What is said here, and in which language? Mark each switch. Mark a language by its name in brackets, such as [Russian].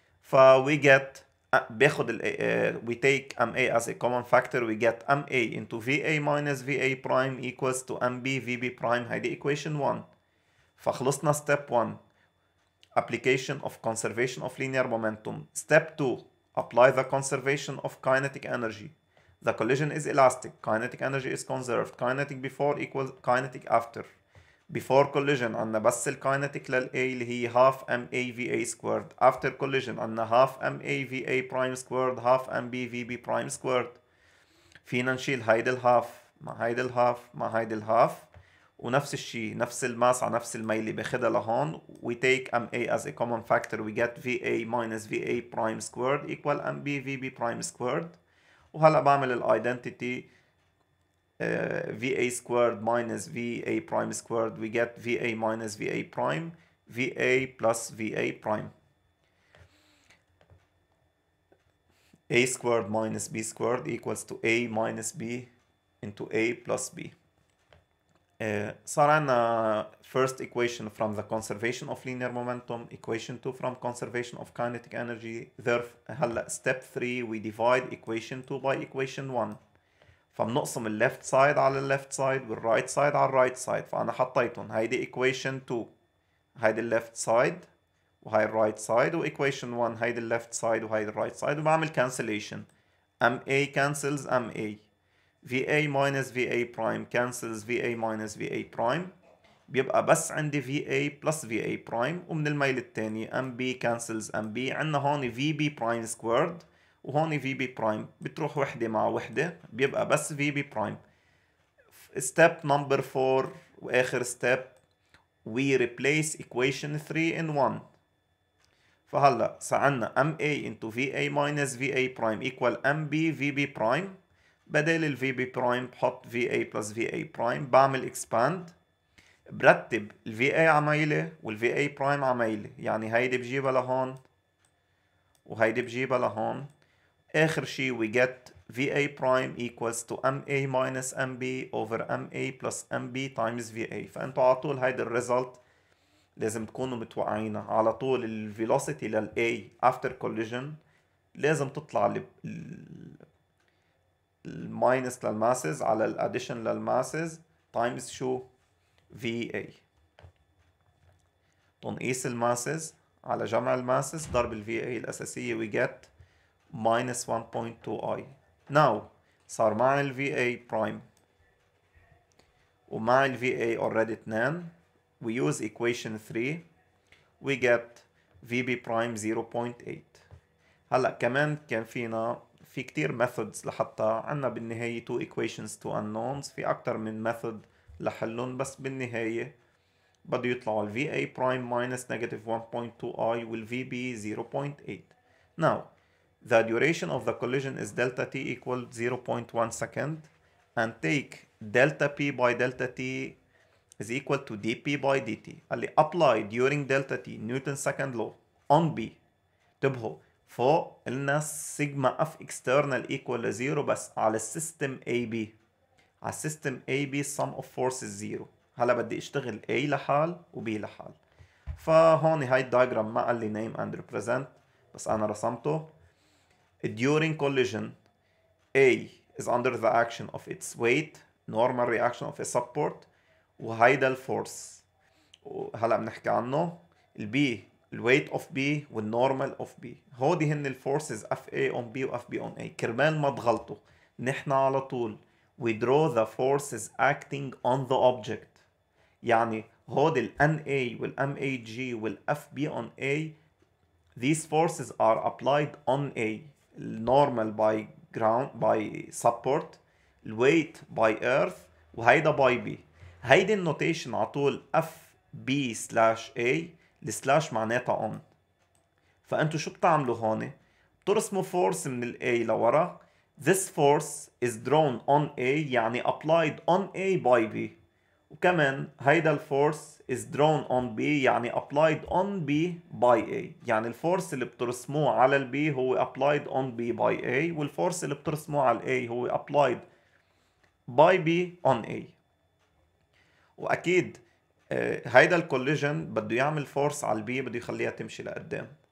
[English] فwe get [Arabic] بياخد [English] we take MA as a common factor we get MA into VA minus VA prime equals to MBVB prime [Arabic] هاي دي [English] equation 1 [Arabic] فخلصنا [English] step 1 application of conservation of linear momentum step 2 apply the conservation of kinetic energy the collision is elastic kinetic energy is conserved kinetic before equals kinetic after Before collision, [Arabic] عنا بس الكينيتيك للA اللي هي [English] half MAVA squared. After collision, [Arabic] عنا [English] half MAVA prime squared, half MBVB prime squared. [Arabic] فينا نشيل هيدا الهاف مع هيدا الهاف مع هيدا الهاف ونفس الشيء نفس الماس على نفس الميل اللي باخذها لهون. [English] We take MA as a common factor. We get VA minus VA prime squared equal MB VB prime squared. [Arabic] وهلا بعمل الايدنتيتي [English] VA squared minus VA prime squared. We get VA minus VA prime VA plus VA prime. A squared minus B squared equals to A minus B into A plus B. [Arabic] صار عنا [English] first equation from the conservation of linear momentum, equation 2 from conservation of kinetic energy. Therefore, [Arabic] هلا [English] step 3 we divide equation 2 by equation 1. [Arabic] فبنقسم ال left side على ال left side وال right side على ال right side. فأنا حطيتهم هيدي equation 2 هيدي ال left side وهي ال right side, و equation 1 هيدي ال left side وهي ال right side, وبعمل cancellation. [English] MA cancels MA. VA minus VA prime cancels VA minus VA prime. [Arabic] بيبقى بس عندي VA plus VA prime. ومن الميل التاني [English] MB cancels MB. [Arabic] عنا هون VB prime squared وهون VB prime. بتروح وحدة مع وحدة. بيبقى بس [English] VB prime. Step number 4 وآخر step. We replace equation 3 in 1. [Arabic] فهلا صعنا [English] MA into VA minus VA prime equal MB VB prime. [Arabic] بدل ال VB prime بحط VA plus VA prime. بعمل expand. برتب ال VA عميلة وال VA prime عميلة. يعني هيدي بجيبها لهون وهيدي بجيبها لهون. آخر شي [English] we get VA prime equals to MA minus MB over MA plus MB times VA. [Arabic] فأنتوا على طول هيدي الريزلت لازم تكونوا متوقعينها. على طول ال velocity لل A after collision لازم تطلع الماينس للماسز على الاديشن للماسز تايمز شو VA. تنقيس الماسز على جمع الماسز ضرب ال VA الأساسية [English] we get minus 1.2i. now [Arabic] صار مع ال [English] VA prime ومع ال VA already 2 we use equation 3 we get VB prime 0.8. [Arabic] هلأ كمان كان فينا في كتير methods لحتى عنا بالنهاية [English] two equations two unknowns. [Arabic] في أكتر من method لحلون بس بالنهاية بده يطلع ال VA prime minus negative 1.2i will VB 0.8. [English] now the duration of the collision is delta t equal 0.1 second and take delta p by delta t is equal to dp by dt. اللي apply during delta t Newton second law on b. [Arabic] تبهو فوق قلنا [English] sigma f external equal to 0 [Arabic] بس على السيستم AB. على السيستم AB [English] sum of forces 0. [Arabic] هلا بدي اشتغل A لحال و B لحال. فهون هاي الدياجرام ما قال لي [English] name and represent [Arabic] بس انا رسمته. [English] During collision A is under the action of its weight, normal reaction of a support, [Arabic] وهيدا الforce هلا بنحكي عنه. [English] ال B الweight of B والnormal of B. [Arabic] هودي هن [English] الforces FA on B وFB on A. [Arabic] كرمال ما تغلطوا نحن على طول [English] we draw the forces acting on the object. يعني هودي الNA والMAG والFB on A, these forces are applied on A. normal by ground by support, weight by earth, وهيدا by B. [Arabic] هيدي النوتيشن عطول FB slash A. السلاش معناتها on. فأنتوا شو بتعملوا هون؟ بترسموا force من ال A لورا. [English] This force is drawn on A يعني applied on A by B. وكمان هيدا الforce is drawn on B يعني applied on B by A. [Arabic] يعني الforce اللي بترسموه على ال B هو [English] applied on B by A, [Arabic] والforce اللي بترسموه على ال A هو [English] applied by B on A. [Arabic] وأكيد هيدا الكوليجن بده يعمل فورس على البي بده يخليها تمشي لقدام.